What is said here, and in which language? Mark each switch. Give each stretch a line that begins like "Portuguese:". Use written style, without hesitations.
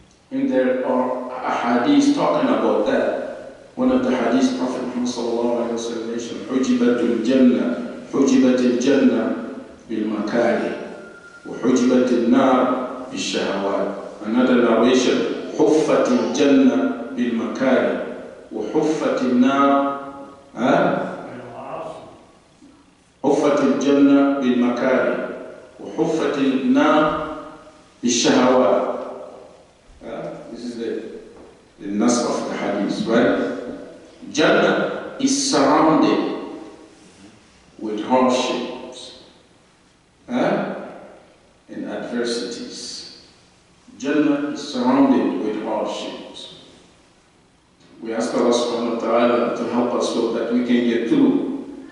English: And there are hadith talking about that. One of the hadith, Prophet Muhammad sallallahu alayhi wa sallam mentioned,
Arabic: حُجِبَتُ الْجَنَّةِ حُجِبَتِ الْجَنَّةِ بِالْمَكَارِهِ وَحُجِبَتِ النَّارِ بِالشَّهَوَاتِ.
English: Another narration,
Arabic: حُفَّتِ الْجَنَّةِ بِالْمَكَارِهِ وَحُفَّتِ النَّارِ حُفَّتِ الْجَنَّةِ بِالْمَكَارِهِ وَحُفَّتِ النَّارِ بِالشَّهَوَاتِ.
English: This is the nas of the hadith, right? Jannah is surrounded with hardships and adversities. Jannah is surrounded with hardships. We ask Allah subhanahu wa ta'ala to help us so that we can get through.